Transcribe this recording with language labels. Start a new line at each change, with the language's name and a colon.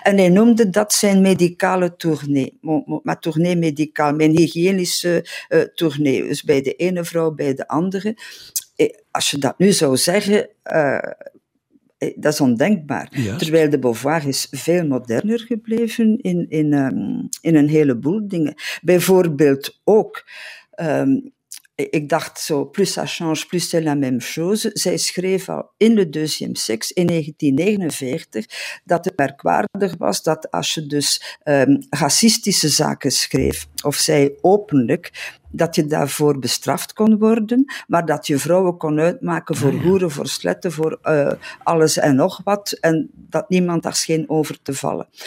Dutch: En hij noemde dat zijn medicale tournee. Maar tournee medicaal, mijn hygiënische tournee. Dus bij de ene vrouw, bij de andere. Als je dat nu zou zeggen, dat is ondenkbaar. Juist. Terwijl de Beauvoir is veel moderner gebleven in een heleboel dingen. Bijvoorbeeld ook, ik dacht zo,
French: plus ça change, plus c'est la même chose.
Dutch: Zij schreef al in Le Deuxième Sexe in 1949 dat het merkwaardig was dat als je dus racistische zaken schreef, of zei openlijk, dat je daarvoor bestraft kon worden, maar dat je vrouwen kon uitmaken voor hoeren, voor sletten, voor alles en nog wat, en dat niemand daar scheen over te vallen.